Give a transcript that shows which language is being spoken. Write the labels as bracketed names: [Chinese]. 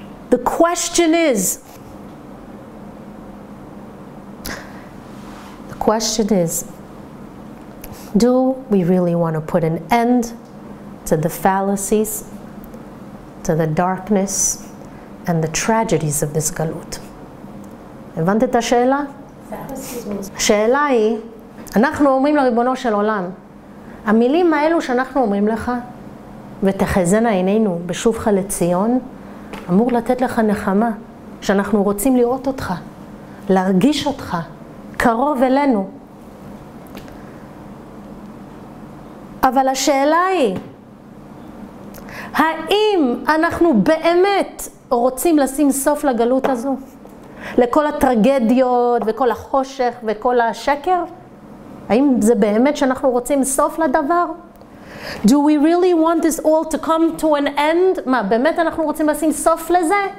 [English] The question is, do we really want to put an end to the fallacies, to the darkness, and the tragedies of this Galut? [Hebrew] Hebant et ha-sheela? Sheela hi, אנחנו אומרים לריבונו של עולם, המילים האלו שאנחנו אומרים לך, ותחזנה עינינו בשובך לציון, אמור לתת לך נחמה, שאנחנו רוצים לראות אותך, להרגיש אותך, קרוב אלינו. אבל השאלה היא, האם אנחנו באמת רוצים לשים סוף לגלות הזו? לכל הטרגדיות וכל החושך וכל השקר? האם זה באמת שאנחנו רוצים סוף לדבר? [English] Do we really want this all to come to an end? [Hebrew] מה, באמת אנחנו רוצים לשים סוף לזה?